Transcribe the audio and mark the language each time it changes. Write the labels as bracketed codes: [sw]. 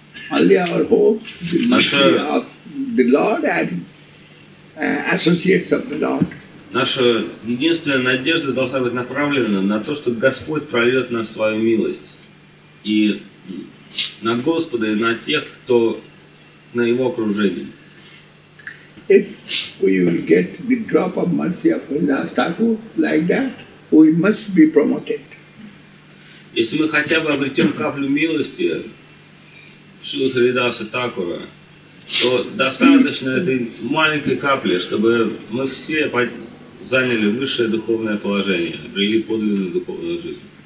[en] Only our hope, the mercy of the Lord and associates of the Lord. [ru] Наша единственная надежда должна быть направлена на то, что Господь прольет нам свою милость. И на Господа, и на тех, кто на Его окружении. [en] If we will get the drop of mercy of Haridas Thakur like that, we must be promoted. [ru] Если мы хотя бы обретем каплю милости Шрилы Харидаса Такура, то достаточно этой маленькой капли, чтобы мы все заняли высшее духовное положение, обрели подлинную духовную жизнь.